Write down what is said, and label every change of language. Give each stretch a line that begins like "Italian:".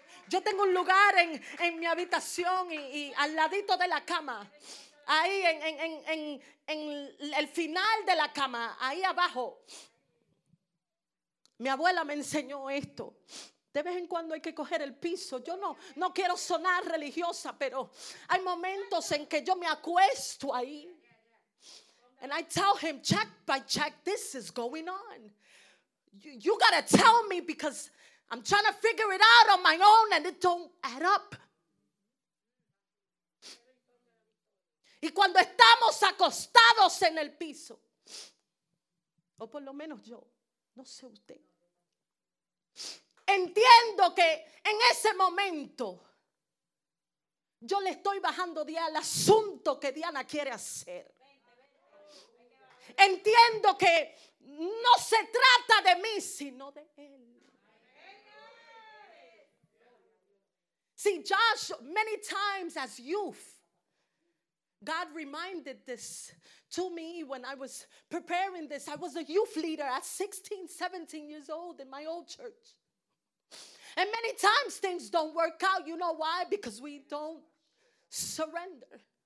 Spanish: Yo tengo un lugar en mi habitación y al ladito de la cama, ahí en el final de la cama, ahí abajo, Mi abuela me enseñó esto. De vez en cuando hay que coger el piso. Yo no quiero sonar religiosa, pero hay momentos en que yo me acuesto ahí.
English: And I tell him, check by check, this is going on. You gotta tell me because I'm trying to figure it out on my own and it don't add up.
Spanish: Y cuando estamos acostados en el piso, o por lo menos yo, no sé usted, entiendo que en ese momento yo le estoy bajando día al asunto que Diana quiere hacer. Entiendo que no se trata de mí, sino de él.
English: See, Josh, many times as youth, God reminded this to me when I was preparing this. I was a youth leader at 16, 17 years old in my old church. And many times things don't work out. You know why? Because we don't surrender.